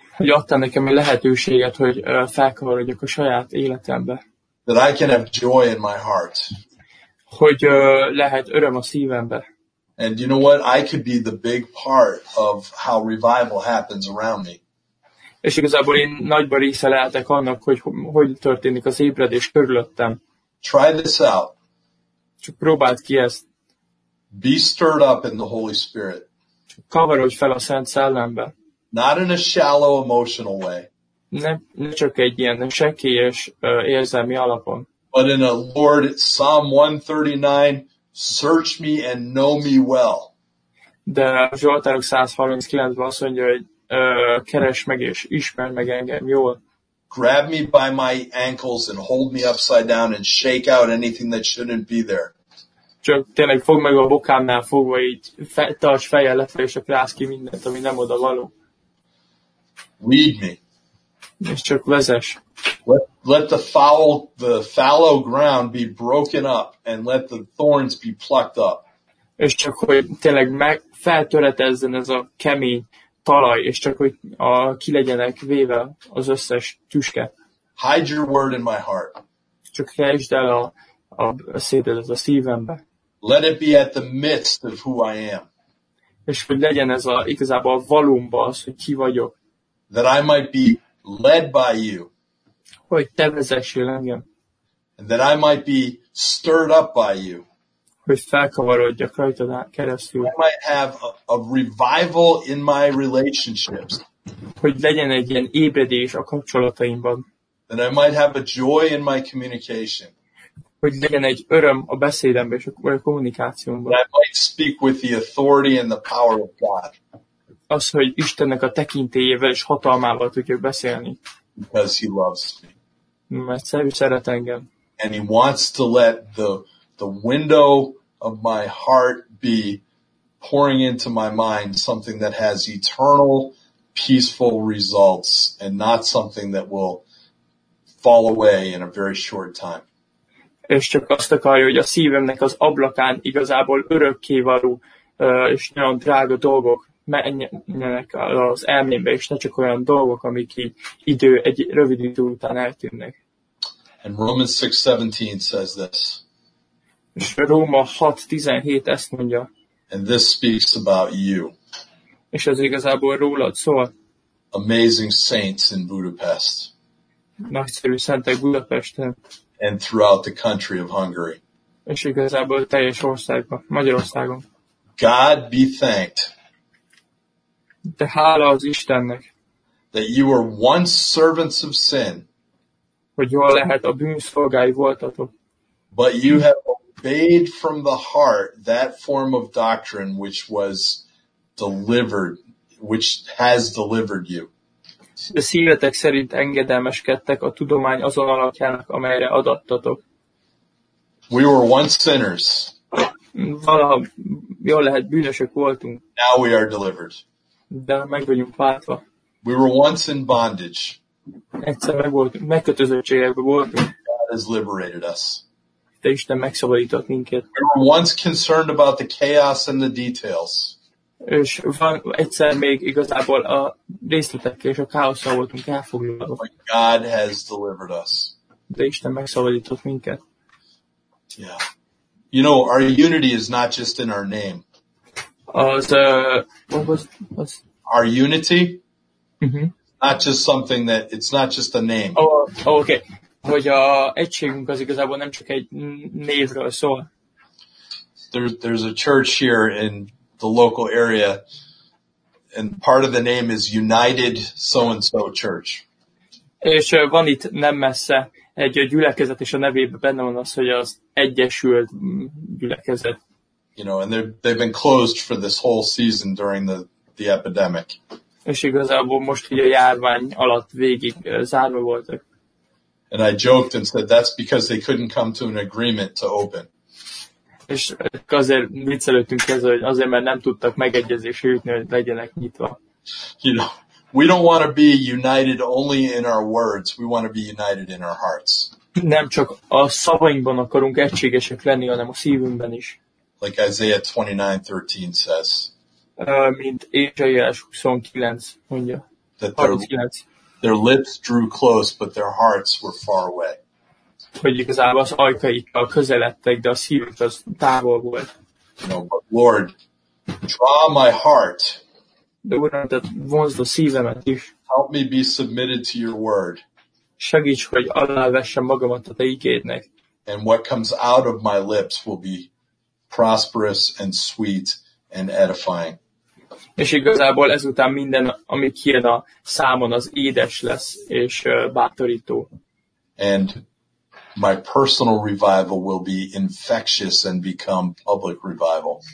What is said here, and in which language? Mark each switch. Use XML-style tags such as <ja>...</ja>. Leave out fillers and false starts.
<hu>Hogy adtál nekem egy lehetőséget, hogy felkavarodjak a saját életembe.</hu> <en>That I can have joy in my heart.</en> <hu>Hogy lehet öröm a szívembe.</hu> <en>And you know what? I could be the big part of how revival happens around me.</en> <hu>És igazából én nagyban része lehetek annak, hogy hogy történik az ébredés körülöttem.</hu> <en>Try this out.</en> <hu>Csak próbáld ki ezt.</hu> <en>Be stirred up in the Holy Spirit.</en> <hu>Kavarodj fel a Szent Szellembe.</hu> <en>Not in a shallow emotional way.</en> <hu>Ne csak egy ilyen sekélyes érzelmi alapon.</hu> <en>But in a Lord, Psalm 139, search me and know me well.</en> <hu>De a Zsoltárok 139-ben azt mondja, hogy keresd meg és ismerd meg engem jól.</hu> <en>Grab me by my ankles and hold me upside down and shake out anything that shouldn't be there.</en> <hu>Csak tényleg fogd meg a bokámnál fogva, így tarts fejjel lefelé, és akkor rász ki mindent, ami nem oda való.</hu> <en>Lead me.</en> <hu>És csak vezess.</hu> <en>Let the fallow ground be broken up, and let the thorns be plucked up.</en> <hu>És csak, hogy tényleg feltöretezzen ez a kemény talaj, és csak, hogy ki legyenek véve az összes tüske.</hu> <en>Hide your word in my heart.</en> <hu>Csak helyesd el a szédedet a szívembe.</hu> <en>Let it be at the midst of who I am.</en> <hu>És hogy legyen ez igazából a valómba az, hogy ki vagyok.</hu> <en>That I might be led by you.</en> <hu>Hogy te vezessél engem.</hu> <en>And that I might be stirred up by you.</en> <hu>Hogy felkavarodjak rajtad keresztül.</hu> <en>I might have a revival in my relationships.</en> <hu>Hogy legyen egy ilyen ébredés a kapcsolataimban.</hu> <en>That I might have a joy in my communication.</en> <hu>Hogy legyen egy öröm a beszédemben és a kommunikációmban.</hu> <en>That I might speak with the authority and the power of God.</en> <hu>Az, hogy Istennek a tekintélyével és hatalmával tudjuk beszélni.</hu> <en>Because he loves me.</en> <hu>Mert szeret engem.</hu> <en>And he wants to let the window of my heart be pouring into my mind something that has eternal, peaceful results and not something that will fall away in a very short time.</en> <hu>És csak azt akarja, hogy a szívemnek az ablakán igazából örökkévaló és nagyon drága dolgok menjenek az elmémbe, és ne csak olyan dolgok, amik így idő, egy rövid idő után eltűnnek.</hu> <en>And Romans 6:17 says this.</en> <hu>És Róma 6:17 ezt mondja.</hu> <en>And this speaks about you.</en> <hu>És ez igazából rólad szól.</hu> <en>Amazing saints in Budapest.</en> <hu>Nagyszerű szentek Budapesten.</hu> <en>And throughout the country of Hungary.</en> <hu>És igazából teljes országban, Magyarországon.</hu> <en>God be thanked.</en> <hu>De hála az Istennek.</hu> <en>That you were once servants of sin.</en> <hu>Hogy jól lehet, a bűn szolgái voltatok.</hu> <en>But you have obeyed from the heart that form of doctrine which was delivered, which has delivered you.</en> <hu>De szívetek szerint engedelmeskedtek a tudomány azon alapjának, amelyre adattatok.</hu> <en>We were once sinners.</en> <hu>Valaha jól lehet, bűnösök voltunk.</hu> <en>Now we are delivered.</en> <hu>De meg vagyunk váltva.</hu> <en>We were once in bondage.</en> <hu>Egyszer megkötözöttségekben voltunk.</hu> <en>God has liberated us.</en> <hu>De Isten megszabadított minket.</hu> <en>We were once concerned about the chaos and the details.</en> <hu>És van egyszer még igazából a részletekkel és a káoszra voltunk elfoglalva.</hu> <en>But God has delivered us.</en> <hu>De Isten megszabadított minket.</hu> <en>Yeah. You know, our unity is not just in our name. Our unity? Mm-hmm. Not just something that, it's not just a name. Oh, okay.</en> <hu>Hogy a egységünk az igazából nem csak egy névről szól.</hu> <en>There's a church here in the local area, and part of the name is United So-and-So Church.</en> <hu>És van itt nem messze egy gyülekezet, és a nevében benne van az, hogy az Egyesült Gyülekezet.</hu> <en>You know, and they've been closed for this whole season during the epidemic.</en> <hu>És igazából most ugye a járvány alatt végig zárva voltak.</hu> <en>And I joked and said that's because they couldn't come to an agreement to open.</en> <hu>És azért viccelődtünk ezzel, hogy azért, mert nem tudtak megegyezésre jutni, hogy legyenek nyitva.</hu> <en>You know, we don't want to be united only in our words, we want to be united in our hearts.</en> <hu>Nem csak a szavainkban akarunk egységesek lenni, hanem a szívünkben is.</hu> <en>Like Isaiah 29:13 says.</en> <hu>Mint Ézsaiás 29 mondja.</hu> <en>That their lips drew close, but their hearts were far away.</en> <hu>Hogy igazából az ajkaikkal közeledtek, de a szívük az távol volt.</hu> <en>No, but Lord, draw my heart.</en> <hu>De Uram, tehát vonzd a szívemet is.</hu> <en>Help me be submitted to your word.</en> <hu>Segíts, hogy alávessem magamat a te ígédnek.</hu> <en>And what comes out of my lips will be prosperous and sweet and edifying.</en> <hu>És igazából ezután minden, ami kijön a számon, az édes lesz és bátorító.</hu> <en>And my personal revival will be infectious and become public revival.</en>